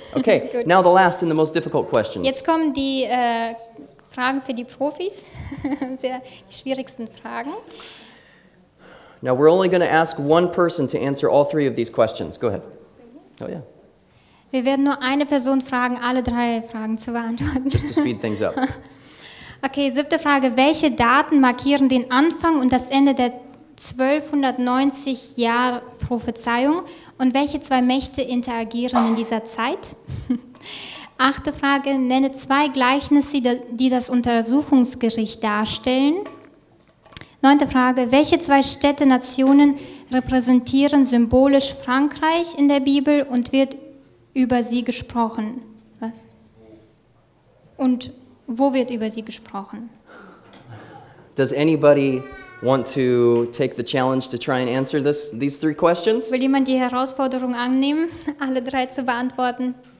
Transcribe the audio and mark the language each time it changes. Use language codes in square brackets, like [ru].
[en] Okay, now the last and the most difficult questions. [de] Jetzt kommen die Fragen für die Profis. Sehr die schwierigsten Fragen. [en] Now we're only going to ask one person to answer all three of these questions. Go ahead. Oh yeah. [de] Wir werden nur eine Person fragen, alle drei Fragen zu beantworten. [en] Just to speed things up. [de] Okay, siebte Frage. Welche Daten markieren den Anfang und das Ende der 1290-Jahr-Prophezeiung und welche zwei Mächte interagieren in dieser Zeit? Achte Frage. Nenne zwei Gleichnisse, die das Untersuchungsgericht darstellen. Neunte Frage. Welche zwei Städte-Nationen repräsentieren symbolisch Frankreich in der Bibel und wird über sie gesprochen? Und wo wird über sie gesprochen? [en] Does anybody want to take the challenge to try and answer these three questions? [de] Will jemand die Herausforderung annehmen, alle drei zu beantworten?